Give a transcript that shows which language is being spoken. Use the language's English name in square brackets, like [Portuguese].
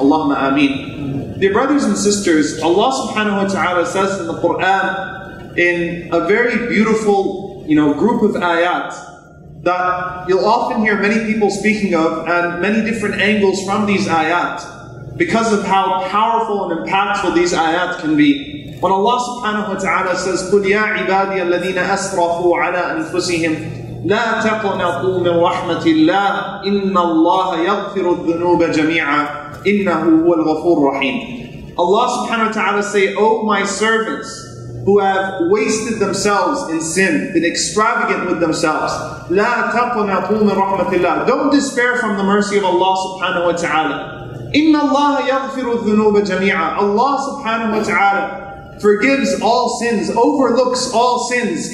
[English] Allahumma ameen. Dear brothers and sisters, Allah subhanahu wa ta'ala says in the Qur'an, in a very beautiful, you know, group of ayat that you'll often hear many people speaking of and many different angles from these ayat because of how powerful and impactful these ayat can be. When Allah subhanahu wa ta'ala says, [Arabic] قُلْ يَا عِبَادِيَ الَّذِينَ أَسْرَفُوا عَلَىٰ أَنفُسِهِمْ لَا تَقْنَطُوا مِنْ رَحْمَةِ اللَّهِ إِنَّ اللَّهَ يَغْفِرُ الذُّنُوبَ جَمِيعًا إِنَّهُ هُوَ الْغَفُورُ الرَّحِيمُ. [English] Allah subhanahu wa ta'ala say, Oh my servants who have wasted themselves in sin, been extravagant with themselves, [Arabic] لَا تَقْنَطُوا مِنْ رَحْمَةِ اللَّهِ, [English] don't despair from the mercy of Allah subhanahu wa ta'ala. [Arabic] إِنَّ اللَّهَ يَغْفِرُ الذُّنُوبَ جَمِيعًا, [English] Allah subhanahu wa ta'ala forgives all sins, overlooks all sins.